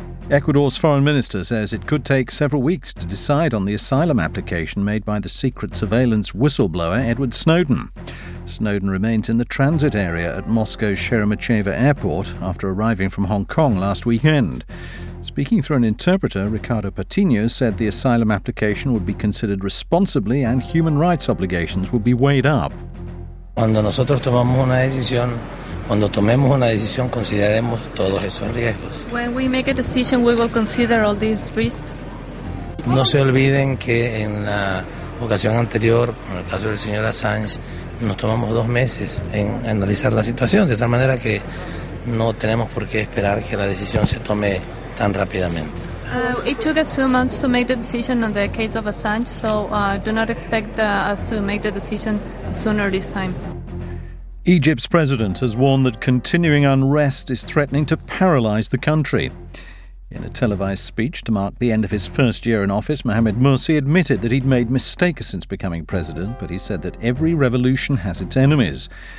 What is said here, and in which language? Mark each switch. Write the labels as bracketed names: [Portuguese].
[English] Ecuador's foreign minister says it could take several weeks to decide on the asylum application made by the secret surveillance whistleblower Edward Snowden. Snowden remains in the transit area at Moscow's Sheremetyevo Airport after arriving from Hong Kong last weekend. Speaking through an interpreter, Ricardo Patino said the asylum application would be considered responsibly and human rights obligations would be weighed up. [Spanish] Cuando nosotros tomamos una decisión, cuando tomemos una decisión, consideraremos todos esos riesgos. [English] When we make a decision, we will consider all these risks. [Spanish] No se olviden que en la ocasión anterior, en el caso del señor Assange, nos tomamos 2 meses en analizar la situación, de tal manera que no tenemos por qué esperar que la decisión se tome tan rápidamente. [English] It took us 2 months to make the decision on the case of Assange, so do not expect us to make the decision sooner this time. Egypt's president has warned that continuing unrest is threatening to paralyze the country. In a televised speech to mark the end of his first year in office, Mohamed Morsi admitted that he'd made mistakes since becoming president, but he said that every revolution has its enemies.